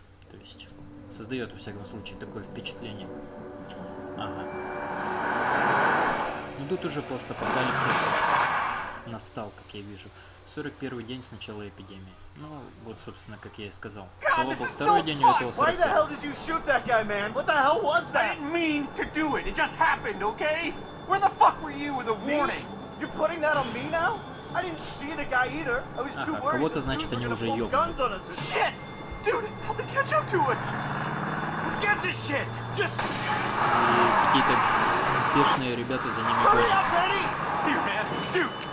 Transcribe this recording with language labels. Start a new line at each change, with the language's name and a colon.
Russian: То есть, создает, во всяком случае, такое впечатление. Ага. Ну, тут уже постапокалипсис настал, как я вижу. 41-й день с начала эпидемии. Ну, вот, собственно, как я и сказал. Колобо, второй день у этого 41-го.
English: Why the hell did you shoot that guy, man? What the hell was that? I didn't mean to do it. It just happened, okay? Where the fuck were you with a warning? You're putting that on me now? I didn't see the guy either. I was too worried.
Russian: Кого-то, значит, они уже ёбнут.
English: Shit! Dude, how'd they catch up to us? Who gives a shit? Just...
Russian: какие-то бешеные ребята за ними гонятся.
English: Hurry up, Eddie! Here, man, shoot!